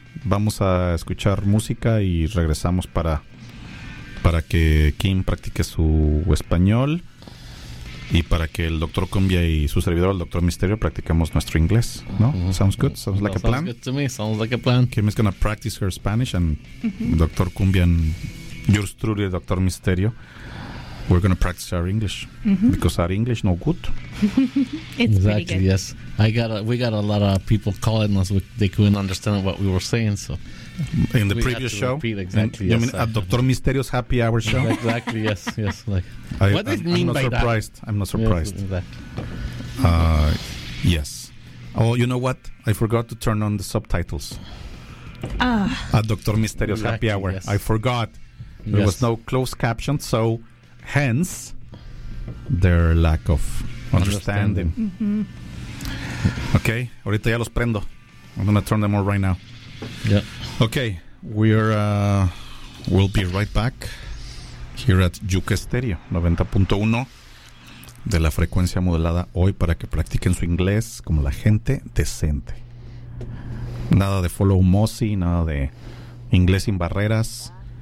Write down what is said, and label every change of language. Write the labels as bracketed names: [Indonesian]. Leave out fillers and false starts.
[Spanish] Vamos a escuchar música y regresamos para que Kim practique su español y para que el Dr. Cumbia y su servidor, el Dr. Misterio, practiquemos nuestro inglés, ¿no? [English] Mm-hmm. Sounds good? Sounds like a plan? Sounds good to me. Sounds like a plan. Kim is going to practice her Spanish and Dr. Cumbia and yours truly, Dr. Misterio, we're going to practice our English because our English no good. It's exactly, pretty good. Yes. We got a lot of people calling us. They couldn't understand what we were saying. So in the previous show, repeat exactly. You mean at Dr. Misterio's happy hour show? Exactly. Yes. Yes. Like, what does it mean by surprised. That? I'm not surprised. Yes, exactly. Yes. Oh, you know what? I forgot to turn on the subtitles. At Dr. Misterio's exactly, happy hour. Yes. I forgot. There was no closed caption, so hence their lack of understanding. Okay, [Spanish] ahorita ya los prendo. [English] I'm gonna turn them on right now. Yeah. Okay, we'll be right back here at [Spanish] Yuke Stereo 90.1 de la frecuencia modulada hoy para que practiquen su inglés como la gente decente. Nada de follow Mossy, nada de inglés sin barreras.